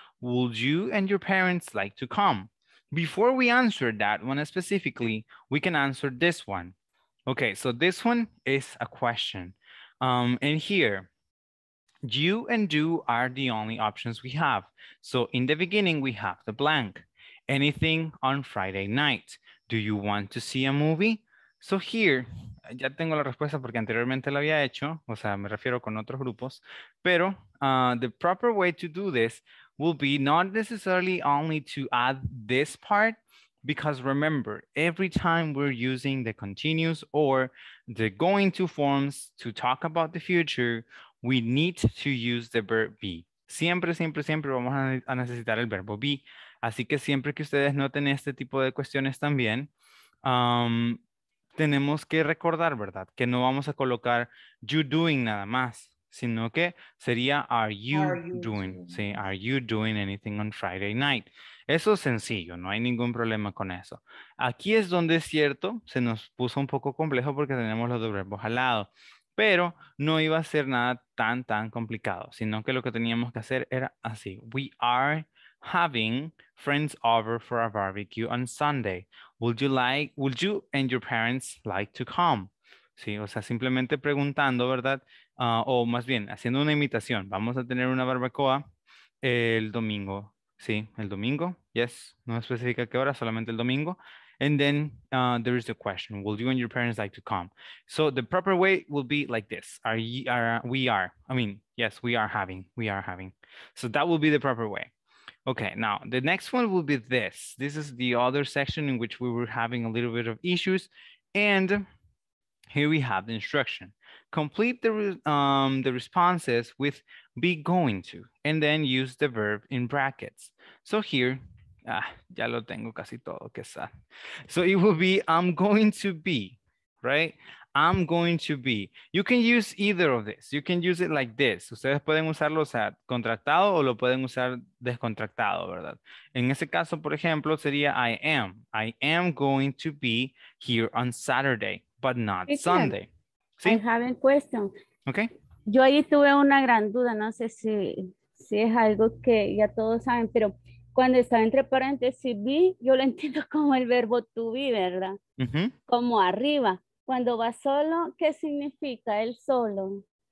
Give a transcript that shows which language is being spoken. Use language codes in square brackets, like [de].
[en] Would you and your parents like to come? Before we answer that one specifically, we can answer this one. Okay, so this one is a question. And here, you and do are the only options we have. So in the beginning, we have the blank. Anything on Friday night? Do you want to see a movie? So here, [es] ya tengo la respuesta porque anteriormente lo había hecho. O sea, me refiero con otros grupos. Pero [en] the proper way to do this will be not necessarily only to add this part, because remember, every time we're using the continuous or the going to forms to talk about the future, we need to use the verb be. [es] Siempre, siempre, siempre vamos a necesitar el verbo be. Así que siempre que ustedes noten este tipo de cuestiones también, tenemos que recordar, ¿verdad? Que no vamos a colocar you doing nada más, sino que sería [en] are you doing? [es] Sí, [en] are you doing anything on Friday night? [es] Eso es sencillo, no hay ningún problema con eso. Aquí es donde es cierto, se nos puso un poco complejo porque tenemos los dos verbos al lado, pero no iba a ser nada tan, tan complicado, sino que lo que teníamos que hacer era así. [en] We are having friends over for a barbecue on Sunday. Would you and your parents like to come? [es] Sí, o sea, simplemente preguntando, ¿verdad? O más bien, haciendo una invitación. Vamos a tener una barbacoa el domingo. Sí, el domingo. [en] Yes, [es] no especifica qué hora, solamente el domingo. [en] And then there is the question, will you and your parents like to come? So the proper way will be like this. We are having. So that will be the proper way. Okay, now the next one will be this. This is the other section in which we were having a little bit of issues. And here we have the instruction. Complete the responses with be going to, and then use the verb in brackets. So here, [es] ya lo tengo casi todo, que sad. [en] So it will be, I'm going to be, right? I'm going to be. You can use either of this. You can use it like this. [es] Ustedes pueden usarlo, o sea, contractado, o lo pueden usar descontractado, ¿verdad? En ese caso, por ejemplo, sería [en] I am. I am going to be here on Saturday, but not Sunday. [es] ¿Sí? [en] I have a question. Okay. [es] Yo ahí tuve una gran duda, no sé si, si es algo que ya todos saben, pero cuando está entre paréntesis be, yo lo entiendo como el verbo to be, ¿verdad? Uh-huh. Como arriba. Cuando va solo, ¿qué significa el solo?